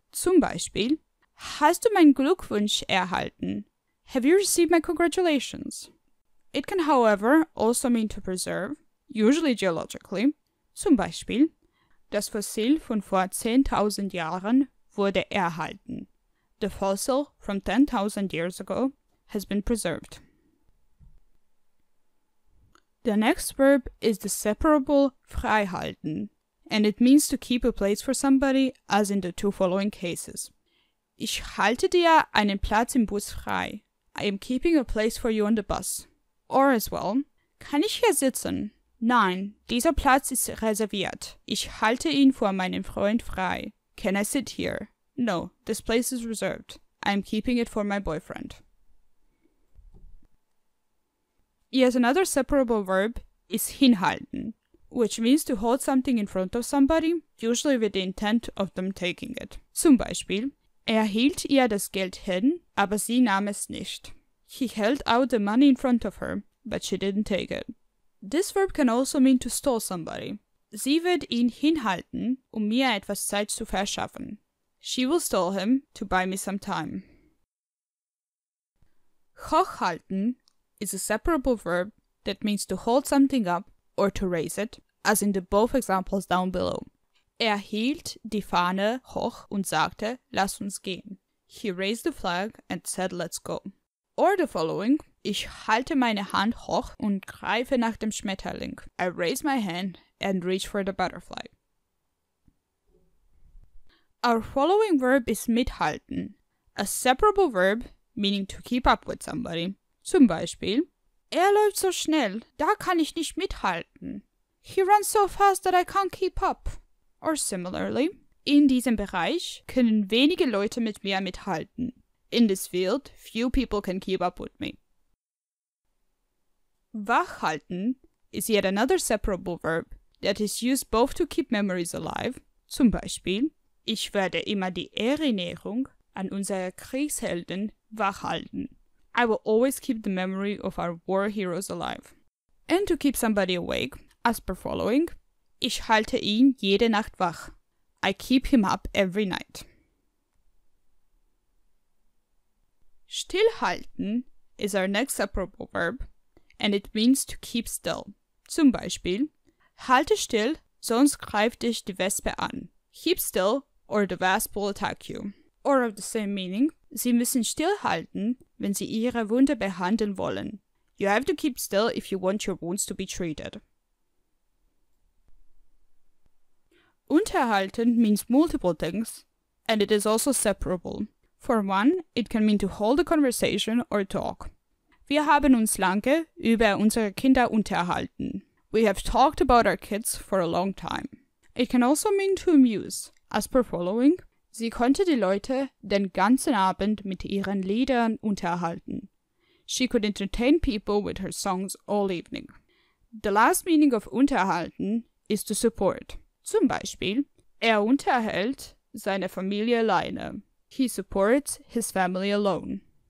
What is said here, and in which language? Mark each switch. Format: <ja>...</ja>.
<de>Zum Beispiel, hast du meinen Glückwunsch erhalten?</de> <en>Have you received my congratulations? It can, however, also mean to preserve, usually geologically.</en> <de>Zum Beispiel, das Fossil von vor 10.000 Jahren wurde erhalten.</de> <en>The fossil from 10.000 years ago has been preserved. The next verb is the separable freihalten, and it means to keep a place for somebody, as in the two following cases.</en> <de>Ich halte dir einen Platz im Bus frei.</de> <en>I am keeping a place for you on the bus. Or as well,</en> <de>kann ich hier sitzen? Nein, dieser Platz ist reserviert. Ich halte ihn vor meinem Freund frei.</de> <en>Can I sit here? No, this place is reserved. I am keeping it for my boyfriend. Yet another separable verb is hinhalten, which means to hold something in front of somebody, usually with the intent of them taking it.</en> <de>Zum Beispiel, hielt ihr das Geld hin, aber sie nahm es nicht.</de> <en>He held out the money in front of her, but she didn't take it. This verb can also mean to stall somebody.</en> <de>Sie wird ihn hinhalten, mir etwas Zeit zu verschaffen.</de> <en>She will stall him to buy me some time. Hochhalten is a separable verb that means to hold something up or to raise it, as in the both examples down below.</en> <de>Hielt die Fahne hoch und sagte, lass uns gehen.</de> <en>He raised the flag and said, let's go. Or the following,</en> <de>ich halte meine Hand hoch und greife nach dem Schmetterling.</de> <en>I raise my hand and reach for the butterfly. Our following verb is mithalten, a separable verb meaning to keep up with somebody.</en> <de>Zum Beispiel, läuft so schnell, da kann ich nicht mithalten.</de> <en>He runs so fast that I can't keep up. Or similarly,</en> <de>in diesem Bereich können wenige Leute mit mir mithalten.</de> <en>In this field, few people can keep up with me. Wachhalten is yet another separable verb that is used both to keep memories alive.</en> <de>Zum Beispiel, ich werde immer die Erinnerung an unsere Kriegshelden wachhalten.</de> <en>I will always keep the memory of our war heroes alive. And to keep somebody awake, as per following,</en> <de>ich halte ihn jede Nacht wach.</de> <en>I keep him up every night. Stillhalten is our next separable verb, and it means to keep still.</en> <de>Zum Beispiel, halte still, sonst greift dich die Wespe an.</de> <en>Keep still, or the wasp will attack you. Or of the same meaning,</en> <de>sie müssen stillhalten, wenn sie ihre Wunde behandeln wollen.</de> <en>You have to keep still if you want your wounds to be treated. Unterhalten means multiple things, and it is also separable. For one, it can mean to hold a conversation or talk.</en> <de>Wir haben uns lange über unsere Kinder unterhalten.</de> <en>We have talked about our kids for a long time. It can also mean to amuse, as per following.</en> <de>Sie konnte die Leute den ganzen Abend mit ihren Liedern unterhalten.</de> <en>She could entertain people with her songs all evening. The last meaning of unterhalten is to support.</en> <de>Zum Beispiel, unterhält seine Familie alleine.</de> <en>He supports his family alone.</en>